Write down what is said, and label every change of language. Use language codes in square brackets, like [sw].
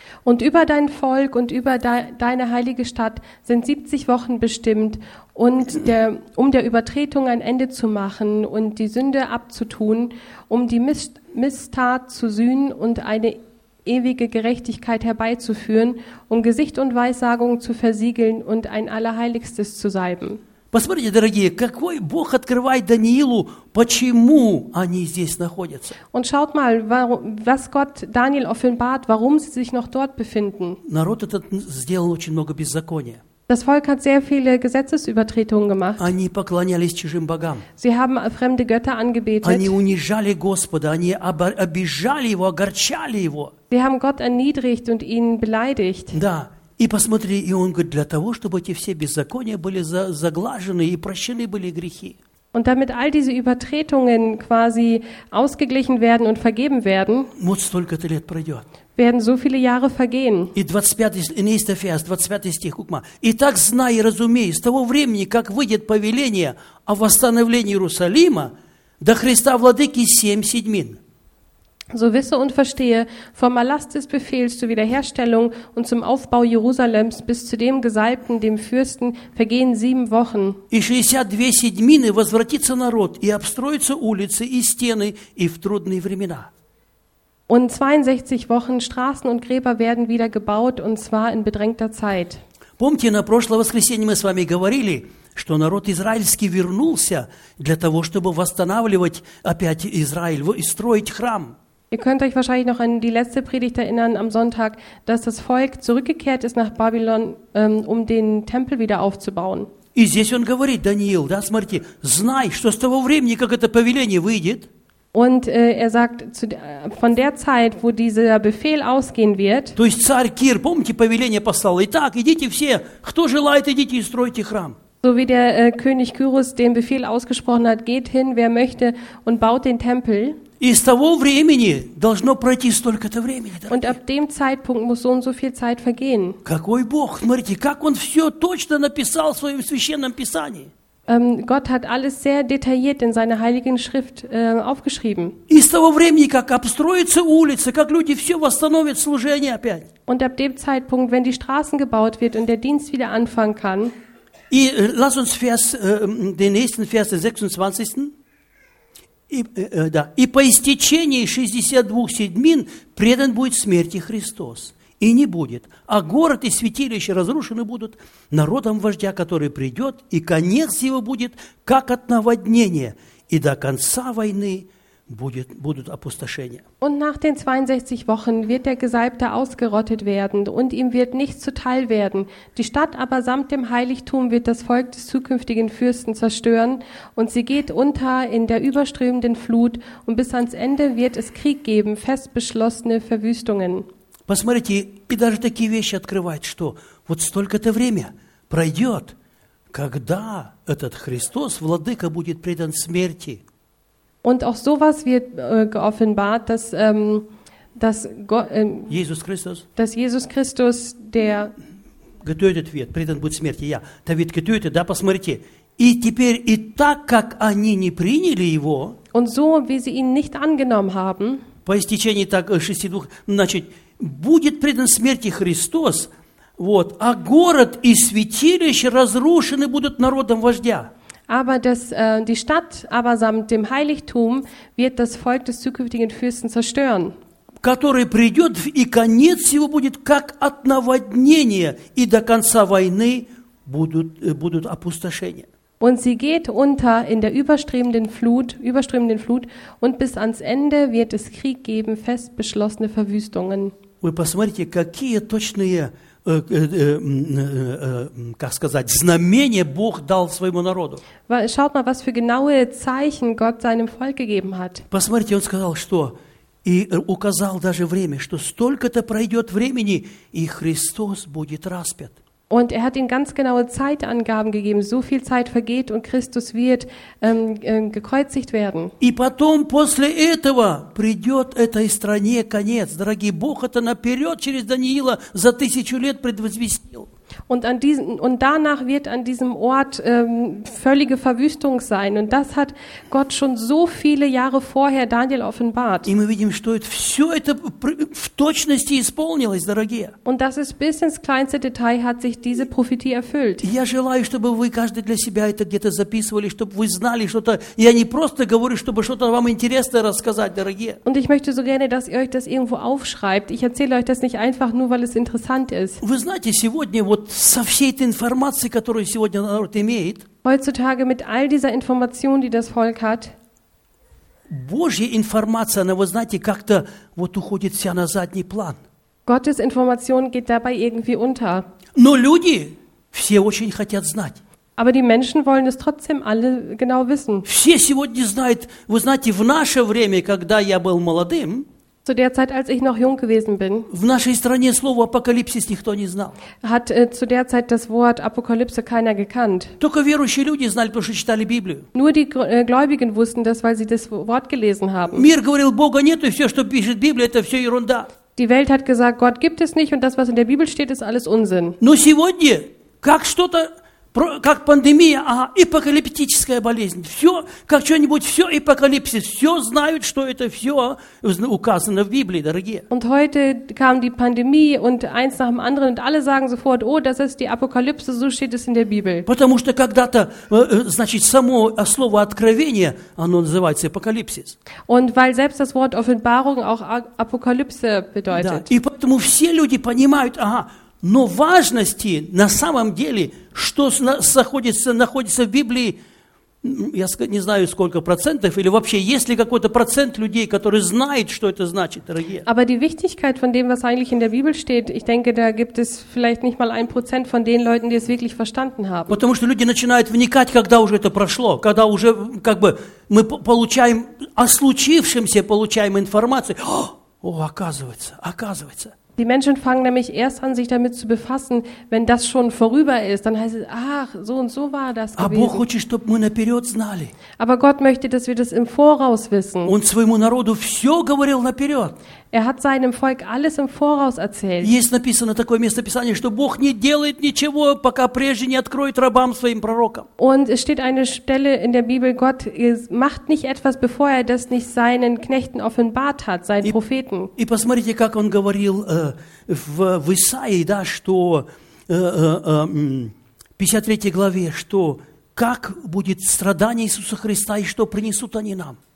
[de] Und über dein Volk und über deine heilige Stadt sind 70 Wochen bestimmt, und um der Übertretung ein Ende zu machen und die Sünde abzutun, um die Misstat zu sühnen und eine ewige Gerechtigkeit herbeizuführen, um Gesicht und Weissagung zu versiegeln und ein Allerheiligstes zu salben. [ru] Посмотрите, дорогие, какой Бог открывает Даниилу, почему они здесь находятся. [de] Und schaut mal, was Gott Daniel offenbart, warum sie sich noch dort befinden. [ru] Народ этот сделал очень много беззакония. [de] Das Volk hat sehr viele Gesetzesübertretungen gemacht. [ru] Они поклонялись чужим богам. [de] Sie haben fremde Götter angebetet. [ru] Они унижали Господа, они обижали его, огорчали его. [de] Sie haben Gott erniedrigt und ihn beleidigt. [ru] Да. И посмотри, и он говорит, для того, чтобы эти все беззакония были заглажены и прощены были грехи. [de] Und damit all diese Übertretungen quasi ausgeglichen werden und vergeben werden, muss [ru] столько-то лет пройдет. [de] Werden so viele Jahre vergehen. [ru] И [de] 25, nächster Vers, [ru] 25 стих, [de] guck mal. [ru] Итак, знай и разумей, с того времени, как выйдет повеление о восстановлении Иерусалима, до Христа Владыки 7 седьмин. [de] So wisse und verstehe, vom Erlass des Befehls zur Wiederherstellung und zum Aufbau Jerusalems bis zu dem Gesalbten, dem Fürsten, vergehen 7 Wochen. [ru] И 62 седьмины возвратится народ, и обстроятся улицы, и стены, и в трудные времена. [de] Und 62 Wochen Straßen und Gräber werden wieder gebaut, und zwar in bedrängter Zeit. [ru] Помните, на прошлое воскресенье мы с вами говорили, что народ израильский вернулся для того, чтобы восстанавливать опять Израиль и строить храм. [de] Ihr könnt euch wahrscheinlich noch an die letzte Predigt erinnern am Sonntag, dass das Volk zurückgekehrt ist nach Babylon, um den Tempel wieder aufzubauen. [ru] И здесь он говорит, Даниил, да, смотрите, знай, что с того времени, как это повеление выйдет. [de] Und er sagt, von der Zeit, wo dieser Befehl ausgehen wird. [ru] То есть царь Кир, помните, повеление послал. Итак, идите все, кто желает, идите и стройте храм. [de] So wie der König Kyrus den Befehl ausgesprochen hat, geht hin, wer möchte, und baut den Tempel. [ru] И с того времени должно пройти столько-то времени. Дорогие. [de] Und ab dem Zeitpunkt muss so und so viel Zeit vergehen. [ru] Какой Бог, смотрите, как он все точно написал в своем священном писании. [de] Gott hat alles sehr detailliert in seiner heiligen Schrift aufgeschrieben. [ru] Из того времени, как обстроятся улицы, как люди все восстановят служение опять. [de] Und ab dem Zeitpunkt, wenn die Straßen gebaut wird und der Dienst wieder anfangen kann. [ru] И [de] lass uns Vers, den nächsten Vers, den 26. [ru] И по истечении 62 седмин предан будет смерти Христос. И не будет. А город и святилище разрушены будут народом вождя, который придет, и конец его будет, как от наводнения, и до конца войны будет, будут опустошения. [de] Und nach den 62 Wochen wird der Gesalbte ausgerottet werden, und ihm wird nichts zuteil werden. Die Stadt aber samt dem Heiligtum wird das Volk des zukünftigen Fürsten zerstören, und sie geht unter in der überströmenden Flut, und bis ans Ende wird es Krieg geben, fest beschlossene Verwüstungen. [ru] Посмотрите, и даже такие вещи открывают, что вот столько-то время пройдет, когда этот Христос, Владыка, будет предан смерти. [de] Und auch sowas wird geoffenbart, dass, dass, Jesus Christus, dass Jesus Christus, der getötet wird, [ru] предан будет смерти, [de] ja, der wird getötet, [ru] да, посмотрите. И теперь, и так, как они не приняли его, [de] und so, wie sie ihn nicht angenommen haben, [ru] по истечении так 62, значит, будет предан смерти Христос, вот, а город и святилище разрушены будут народом вождя. [de] Aber das, die Stadt, aber samt dem Heiligtum, wird das Volk des zukünftigen Fürsten zerstören. [ru] Который придет, и конец его будет, как от наводнения, и до конца войны будут, будут опустошения. [de] Und sie geht unter in der überströmenden Flut, und bis ans Ende wird es Krieg geben, fest beschlossene Verwüstungen. [ru] Вы посмотрите, какие точные, как сказать, знамения Бог дал своему народу. [de] Schaut mal, was für genaue Zeichen Gott seinem Volk gegeben hat. [ru] Посмотрите, он сказал, что и указал даже время, что столько-то пройдет времени, и Христос будет распят. [de] Und er hat ihnen ganz genaue Zeitangaben gegeben. So viel Zeit vergeht und Christus wird gekreuzigt werden. [ru] И потом, после этого, придет этой стране конец. Дорогие, Бог это наперед через Даниила за тысячу лет предвозвестил. [de] Und, an diesen, und danach wird an diesem Ort völlige Verwüstung sein. Und das hat Gott schon so viele Jahre vorher Daniel offenbart. [ru] И мы видим, что это, все это в точности исполнилось, дорогие. [de] Und das ist bis ins kleinste Detail hat sich diese Prophetie erfüllt. [ru] Я желаю, чтобы вы каждый для себя это где-то записывали, чтобы вы знали что-то. Я не просто говорю, чтобы что-то вам интересное рассказать, дорогие. [de] Und ich möchte so gerne, dass ihr euch das irgendwo aufschreibt. Ich erzähle euch das nicht einfach nur, weil es interessant ist. [ru] Вы знаете, сегодня вот со всей этой информацией, которую сегодня народ имеет, [de] heutzutage mit all dieser Information, die das Volk hat, [ru] Божья информация, она, вы знаете, как-то вот уходит вся на задний план. [de] Gottes Information geht dabei irgendwie unter. [ru] Но люди все очень хотят знать. [de] Aber die Menschen wollen es trotzdem alle genau wissen. [ru] Все сегодня знают, вы знаете, в наше время, когда я был молодым, [de] zu der Zeit, als ich noch jung gewesen bin, [ru] в нашей стране слово апокалипсис никто не знал. [de] Hat zu der Zeit das Wort Apokalypse keiner gekannt. [ru] Только верующие люди знали, потому что читали Библию. [de] Nur die Gläubigen wussten das, weil sie das Wort gelesen haben. [ru] Мир говорил, Бога нет, и все, что пишет Библия, это все ерунда. [de] Die Welt hat gesagt, Gott gibt es nicht, und das, was in der Bibel steht, ist alles Unsinn. [ru] Но сегодня, как что-то, как пандемия, апокалиптическая болезнь. Все, как что-нибудь, все апокалипсис, все знают, что это все указано в Библии, дорогие. [de] Und heute kam die Pandemie und eins nach dem anderen und alle sagen sofort, oh, das ist die Apokalypse, so steht es in der Bibel. [ru] Потому что когда-то, значит, само слово откровение, оно называется апокалипсис. [de] Und weil selbst das Wort Offenbarung auch Apokalypse bedeutet. [ru] Да. И поэтому все люди понимают, но важности на самом деле, что находится в Библии, я не знаю, сколько процентов, или вообще есть ли какой-то процент людей, которые знают, что это значит, дорогие. [de] Aber die Wichtigkeit von dem, was eigentlich in der Bibel steht, ich denke, da gibt es vielleicht nicht mal 1% von den Leuten, die es wirklich verstanden haben. [ru] Потому что люди начинают вникать, когда уже это прошло, когда уже, как бы, мы получаем, о случившемся получаем информацию. О, оказывается, оказывается. [de] Die Menschen fangen nämlich erst an, sich damit zu befassen, wenn das schon vorüber ist. Dann heißt es, ach, so und so war das gewesen. [ru] Бог хочет, чтобы мы наперед знали. [de] Aber Gott möchte, dass wir das im Voraus wissen. Und [ru] своему народу все говорил наперед. [de] Er hat seinem Volk alles im Voraus erzählt. [ru] Есть написано такое местописание, что Бог не делает ничего, пока прежде не откроет рабам своим пророкам. [de] Und es steht eine Stelle in der Bibel, Gott macht nicht etwas, bevor er das nicht seinen Knechten offenbart hat, seinen Propheten. [ru] И посмотрите, как он говорил в Исаии, да, что в 53 главе, что как будет страдание Иисуса Христа и что принесут они нам.